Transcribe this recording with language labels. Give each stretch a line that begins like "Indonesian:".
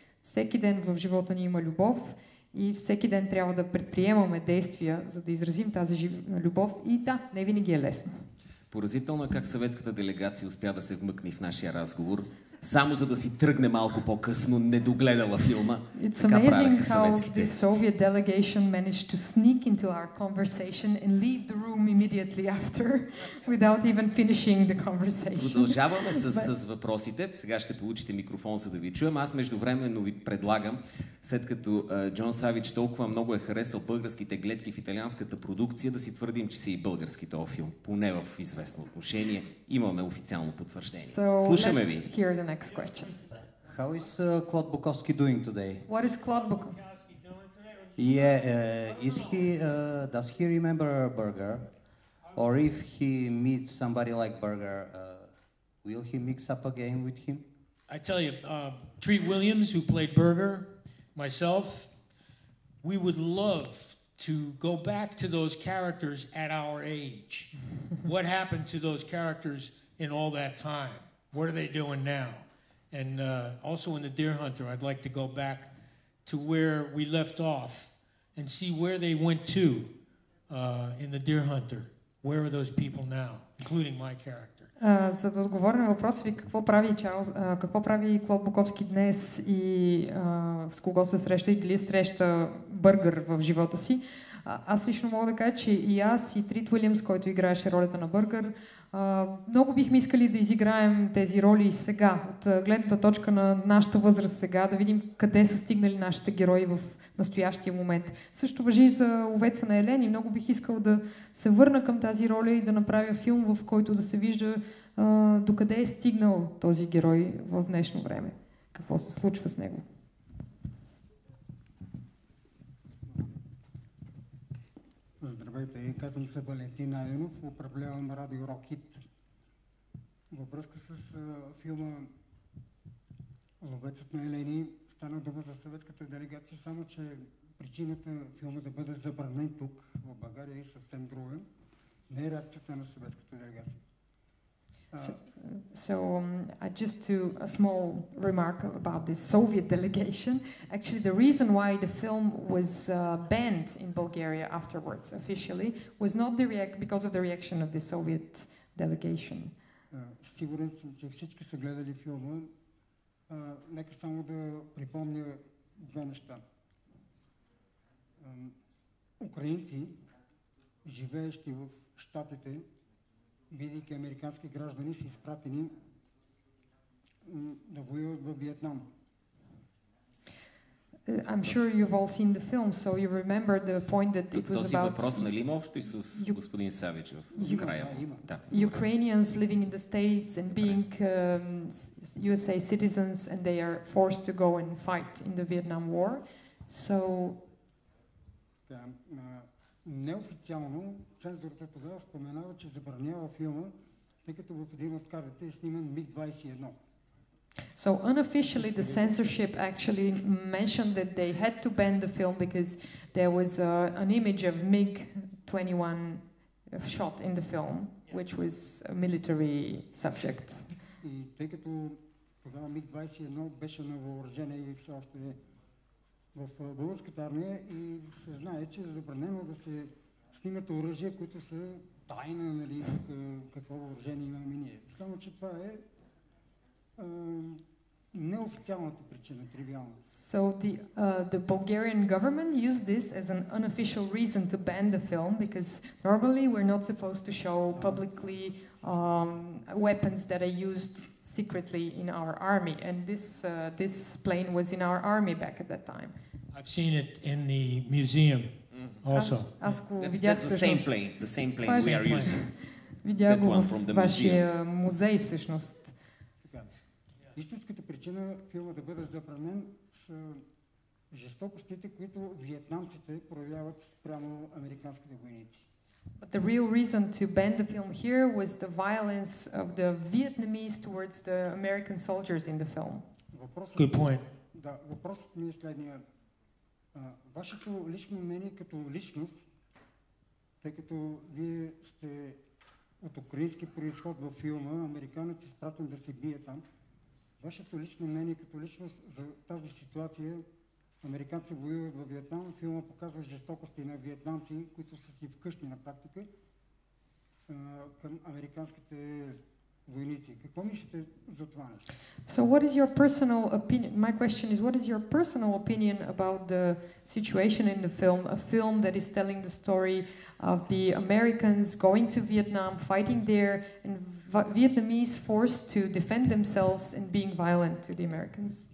Bulgarian: Всеки ден в живота ни има любов и всеки ден трябва да предприемаме действия, за да изразим тази любов. И да, не винаги е лесно. Поразително е как съветската делегация успя да се вмъкне в нашия разговор, само за да си тръгне малко по-късно, недогледала филма. It's така amazing how the Soviet delegation managed to sneak into our conversation and leave the room immediately after, without even finishing the conversation. Продължаваме с въпросите. Сега ще получите микрофон, за да ви чуем. Аз междувременно ви предлагам, след като Джон Савич толкова много е харесал българските гледки в италианската продукция, да си твърдим, че си и български този филм. Поне в известно отношение имаме официално потвърждение.
English: So,
Bulgarian: слушаме ви.
English: The next question. How is Claude Bukowski doing today? What is Claude Bukowski doing today? Yeah, is he, does he remember Berger? Or if he meets somebody like Berger, will he mix up a game with him? I tell you, Treat Williams, who played Berger, myself, we would love to go back to those characters at our age. What happened to those characters in all that time? What are they doing now? And also in The Deer Hunter, I'd like to go back to where we left off and see where they went to in The Deer Hunter. Where are those people now, including my character?
Bulgarian: За да отговоря на въпроса ви, какво прави Чарлз, какво прави Клод Буковски днес и с кого се среща или среща Бъргър в живота си? Аз лично мога да кажа, че и аз, и Трит Уилямс, който играеше ролята на Бъргър, много бихме искали да изиграем тези роли и сега, от гледната точка на нашата възраст сега, да видим къде са стигнали нашите герои в настоящия момент. Също важи за Овеца на Елен и много бих искал да се върна към тази роля и да направя филм, в който да се вижда докъде е стигнал този герой в днешно време. Какво се случва с него? Здравейте, казвам се Валентин Айнов, управлявам Радио Рокит. Във връзка с филма Ловецът на Елени стана дума за съветската делегация, само че причината филма да бъде забранен тук, в България, е съвсем друга. Не е реакцията на съветската делегация.
English: So, just to a small remark about this Soviet delegation. Actually, the reason why the film was banned in Bulgaria afterwards, officially, was not because of the reaction of the Soviet delegation.
Bulgarian: Сигурен съм, че всички са гледали филма. Нека само да припомня две неща. Украинци, живеещи в щатите, бидейки американски граждани, са изпратени да воюват във Виетнам.
English: I'm sure you've all seen the film, so you remember the point that it was about...
Bulgarian: Въпрос, нали има общо и с господин Савич в края? Да.
English: Ukrainians living in the States and being USA citizens, and they are forced to go and fight in the Vietnam War. So...
Bulgarian: Неофициално цензурата тогава споменава, че забранява филма, тъй като в един от кадрите е сниман МиГ-21.
English: So unofficially the censorship actually mentioned that they had to ban the film because there was an image of MiG-21 shot in the film, which was a military subject.
Bulgarian: И тъй като тогава МиГ-21 беше на въоръжение и все още в българската армия и се знае, че е забранено да се снимат оръжия, които са тайна, нали, какво въоръжение имаме ние. Само, че това е неофициалната причина, тривиална.
English: So the Bulgarian government used this as an unofficial reason to ban the film, because normally we're not supposed to show publicly weapons that are used secretly in our army, and this plane was in our army back at that time. I've seen it in the museum also. That's the same plane we are using.
Bulgarian: Видях го във вашия музей всъщност. Истинската причина филма да бъде забранен са жестокостите, които виетнамците проявяват спрямо американските войници.
English: But the real reason to ban the film here was the violence of the Vietnamese towards the American soldiers in the film. Good point.
Bulgarian: Да, въпросът ми е следния. Вашето лично мнение като личност, тъй като вие сте от украински произход във филма, американец изпратен да се бие там, вашето лично мнение като личност за тази ситуация, американци воюват във Виетнам, филма показва жестокости на виетнамци, които са си вкъщи на практика, към американските войници. Какво мислите за това нещо?
English: So what is your personal opinion? My question is, what is your personal opinion about the situation in the film? A film that is telling the story of the Americans going to Vietnam, fighting there, and Vietnamese forced to defend themselves and being violent to the Americans.